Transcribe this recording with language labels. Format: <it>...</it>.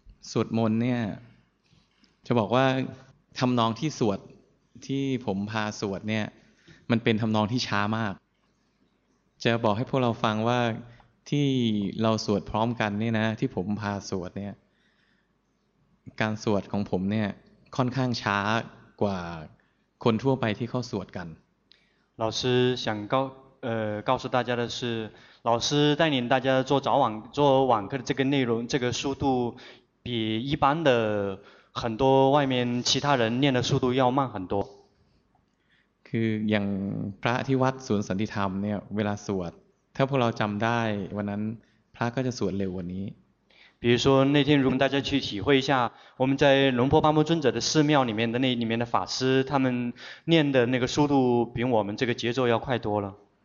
<th>สวดมนต์เนี่ยจะบอกว่าทำนองที่สวดที่ผมพาสวดเนี่ยมันเป็นทำนองที่ช้ามากจะบอกให้พวกเราฟังว่าที่เราสวดพร้อมกันเนี่ยนะที่ผมพาสวดเนี่ยการสวดของผมเนี่ยค่อนข้างช้ากว่าคนทั่วไปที่เขาสวดกัน</th> <zh>老师想告诉大家的是老师带领大家做早晚做晚课的这个内容这个速度比一般的很多外面其他人念的速度要慢很多</zh> <th>คืออย่างพระที่วัดสวนสันติธรรมเนี่ยเวลาสวดถ้าพวกเราจำได้วันนั้นพระก็จะสวดเร็วกว่านี้</th> <zh>比如说那天如果大家去体会一下我们在龙婆巴木尊者的寺庙里面的那里面的法师他们念的那个速度比我们这个节奏要快多了</zh>